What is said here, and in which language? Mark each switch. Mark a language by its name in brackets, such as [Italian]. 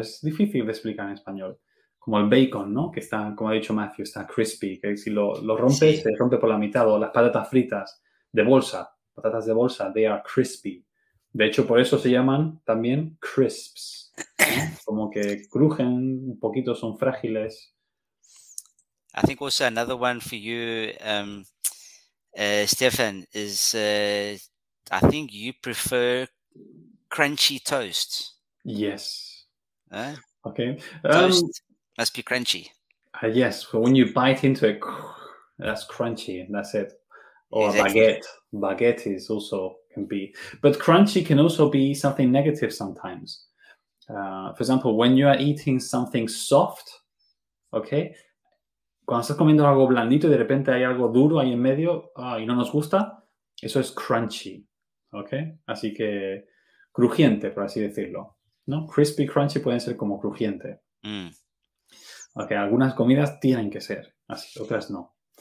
[Spanish] Es difícil de explicar en español. Como el bacon, ¿no? Que está, como ha dicho Matthew, está crispy. Que si lo rompes, sí, se rompe por la mitad. O las patatas fritas de bolsa. Patatas de bolsa, [English] they are crispy. [Spanish] De hecho, por eso se llaman también crisps. Como que crujen un poquito, son frágiles. [English] I think also another one for you, Stefan, is I think you prefer crunchy toast. Yes. Okay. Toast must be crunchy. Yes. So when you bite into it, that's crunchy. That's it. Or exactly. Baguette. Baguette is also can be. But crunchy can also be something negative sometimes. For example, when you are eating something soft, okay, [Spanish] cuando estás comiendo algo blandito y de repente hay algo duro ahí en medio y no nos gusta, eso es crunchy, ¿ok? Así que crujiente, por así decirlo, ¿no? Crispy, crunchy pueden ser como crujiente. Mm. Ok, algunas comidas tienen que ser, así, otras no.